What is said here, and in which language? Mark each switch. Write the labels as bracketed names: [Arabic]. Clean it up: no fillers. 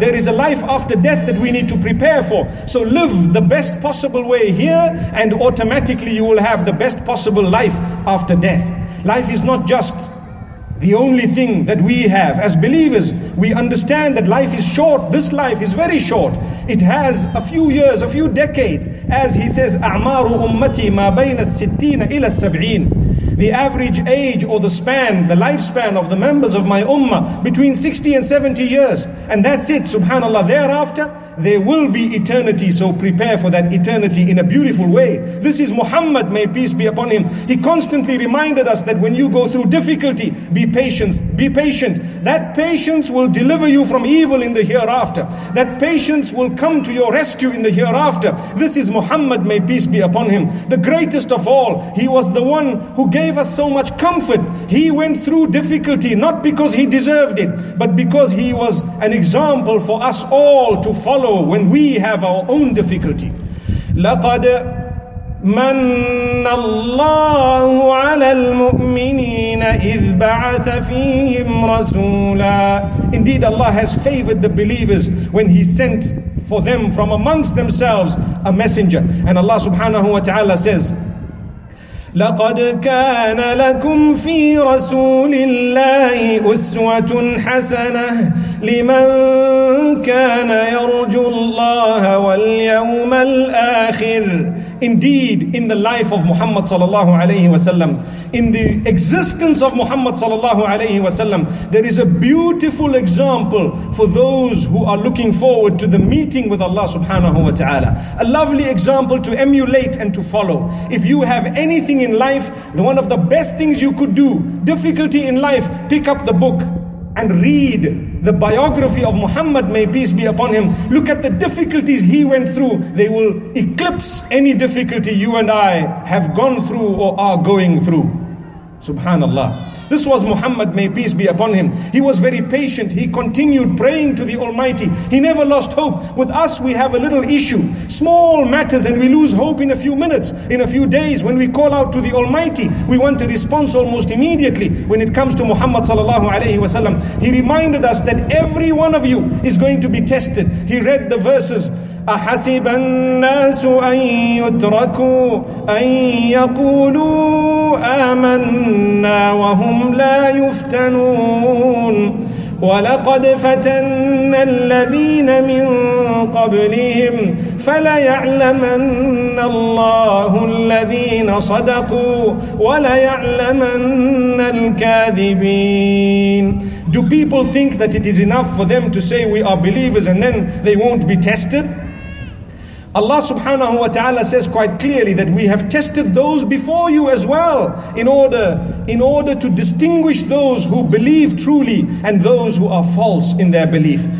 [English] There is a life after death that we need to prepare for. So live the best possible way here and automatically you will have the best possible life after death. Life is not just the only thing that we have. As believers, we understand that life is short. This life is very short. It has a few years, a few decades. As he says, [Arabic] أَعْمَارُ أُمَّتِي مَا بَيْنَ السِّتِّينَ إِلَى السَّبْعِينَ. [English] The average age or the span, the lifespan of the members of my ummah, between 60 and 70 years. And that's it, subhanAllah. Thereafter, there will be eternity. So prepare for that eternity in a beautiful way. This is Muhammad, may peace be upon him. He constantly reminded us that when you go through difficulty, be patient. Be patient. That patience will deliver you from evil in the hereafter. That patience will come to your rescue in the hereafter. This is Muhammad, may peace be upon him. The greatest of all, he was the one who gave us so much comfort. He went through difficulty, not because he deserved it, but because he was an example for us all to follow when we have our own difficulty. [Arabic] لَقَدْ مَنَّ اللَّهُ عَلَى الْمُؤْمِنِينَ إِذْ بَعَثَ فِيهِمْ رَسُولًا. [English] Indeed, Allah has favored the believers when He sent for them from amongst themselves a messenger. And Allah subhanahu wa ta'ala says, [Arabic] لقد كان لكم في رسول الله أسوة حسنة لمن كان يرجو الله واليوم الآخر. [English] Indeed, in the life of Muhammad sallallahu alayhi wa sallam, in the existence of Muhammad sallallahu alayhi wa sallam, there is a beautiful example for those who are looking forward to the meeting with Allah subhanahu wa ta'ala. A lovely example to emulate and to follow. If you have anything in life, one of the best things you could do, difficulty in life, pick up the book and read the biography of Muhammad, may peace be upon him. Look at the difficulties he went through. They will eclipse any difficulty you and I have gone through or are going through. Subhanallah. This was Muhammad, may peace be upon him. He was very patient. He continued praying to the Almighty. He never lost hope. With us, we have a little issue. Small matters, and we lose hope in a few minutes, in a few days. When we call out to the Almighty, we want a response almost immediately. When it comes to Muhammad sallallahu alayhi wa sallam, he reminded us that every one of you is going to be tested. He read the verses. [Arabic] أحسب الناس أن يتركوا أن يقولوا آمنا وهم لا يفتنون ولقد فتن الذين من قبلهم فليعلمن الله الذين صدقوا وليعلمن الكاذبين. [English] Do people think that it is enough for them to say we are believers and then they won't be tested? Allah subhanahu wa ta'ala says quite clearly that we have tested those before you as well in order to distinguish those who believe truly and those who are false in their belief.